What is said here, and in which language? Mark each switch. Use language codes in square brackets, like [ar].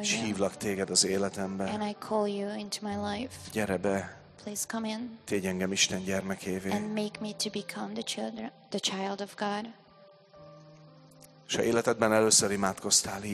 [hu] És hívlak téged az életembe. [en] And I call you into my life. [hu] Gyere be. [en] Please come in. [hu] Tégy engem Isten gyermekévé. [en] And make me to become the child of God. [hu] És ha életedben először imádkoztál így,